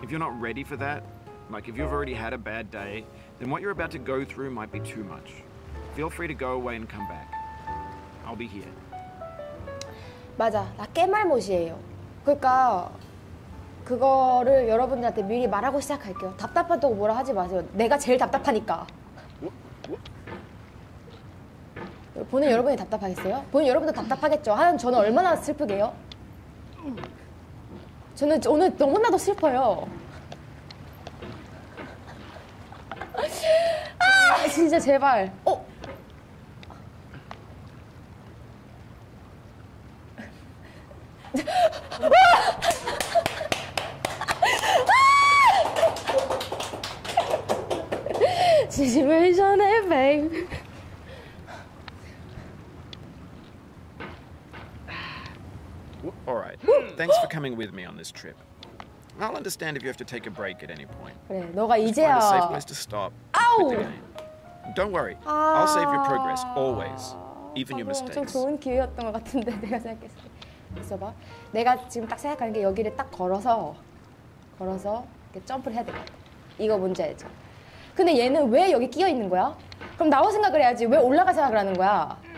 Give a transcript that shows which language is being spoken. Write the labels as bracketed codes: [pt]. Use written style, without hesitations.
[en] If you're not ready for that, like if you've already had a bad day, then what you're about to go through might be too much. Feel free to go away and come back. I'll be here. [ko] 맞아. 나 깨말못이에요. 그러니까 그거를 여러분들한테 미리 말하고 시작할게요. 답답하다고 뭐라 하지 마세요. 내가 제일 답답하니까. 보는 여러분이 답답하겠어요? 보는 여러분도 답답하겠죠? 하여튼 저는 얼마나 슬프게요? 저는 오늘 너무나도 슬퍼요. 아, 진짜 제발. 어? 시뮬레이션 해, 베이비. [en] Thanks for coming with me on this trip. I'll understand if you have to take a break at any point. [ko] 그래, 너가 이제야. [en] Just find a safe place to stop. 아우. Don't worry. 아... I'll save your progress always, even 아, your mistakes. [ko] 엄청 좋은 기회였던 것 같은데 내가 생각했을 때. 있어봐. 내가 지금 딱 생각하는 게 여기를 딱 걸어서 이렇게 점프를 해야 될 것 같아. 이거 뭔지 알죠? 근데 얘는 왜 여기 끼어 있는 거야? 그럼 나와 생각을 해야지. 왜 올라가 생각을 하는 거야?